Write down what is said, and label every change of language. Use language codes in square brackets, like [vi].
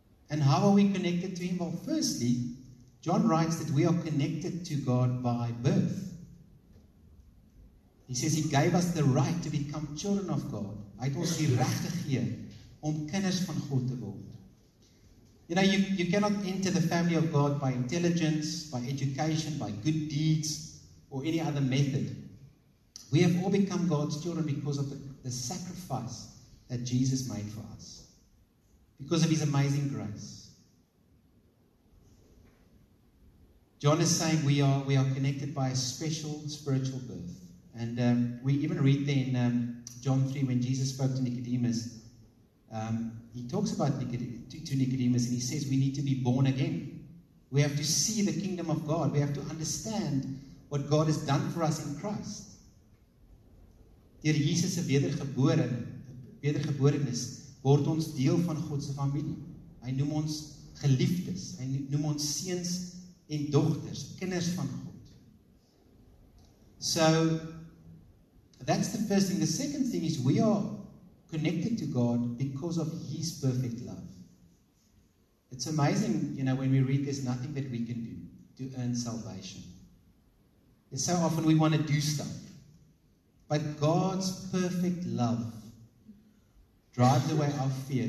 [en] And how are we connected to him? Well, firstly, John writes that we are connected to God by birth. He says he gave us the right to become children of God. [af] Hy het ons die reg gegee om kinders van God te word. [en] You know, you cannot enter the family of God by intelligence, by education, by good deeds, or any other method. We have all become God's children because of the sacrifice that Jesus made for us. Because of his amazing grace. John is saying we are connected by a special spiritual birth. And we even read there in John 3 when Jesus spoke to Nicodemus, he talks about Nicodemus and he says we need to be born again. We have to see the kingdom of God. We have to understand what God has done for us in Christ. [af] Deur Jesus se wedergeborenis word ons deel van God se familie. Hy noem ons geliefdes. Hy noem ons seuns en dogters, kinders van God. [en] So that's the first thing. The second thing is we are connected to God because of his perfect love. It's amazing, you know, when we read there's nothing that we can do to earn salvation. And so often we want to do stuff. But God's perfect love drives away our fear.